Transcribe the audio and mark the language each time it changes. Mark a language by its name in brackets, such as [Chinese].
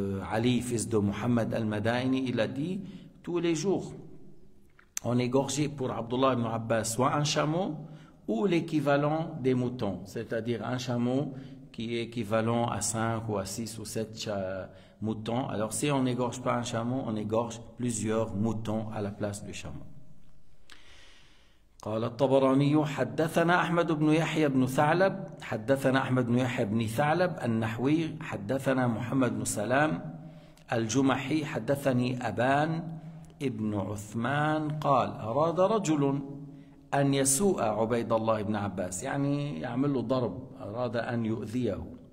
[French] Ali, fils de Muhammad al-Madaini, il a dit, tous les jours, on égorgeait pour Abdullah ibn Abbas soit un chameau ou l'équivalent des moutons, c'est-à-dire un chameau qui est équivalent à 5 ou à 6 ou 7 moutons. Alors si on n'égorge pas un chameau, on égorge plusieurs moutons à la place du chameau. [Arabic] قال الطبراني حدثنا أحمد بن يحيى بن ثعلب حدثنا أحمد بن يحيى بن ثعلب النحوي حدثنا محمد بن سلام الجمحي حدثني أبان ابن عثمان قال أراد رجل أن يسوء عبيد الله بن عباس يعني يعمل له ضرب أراد أن يؤذيه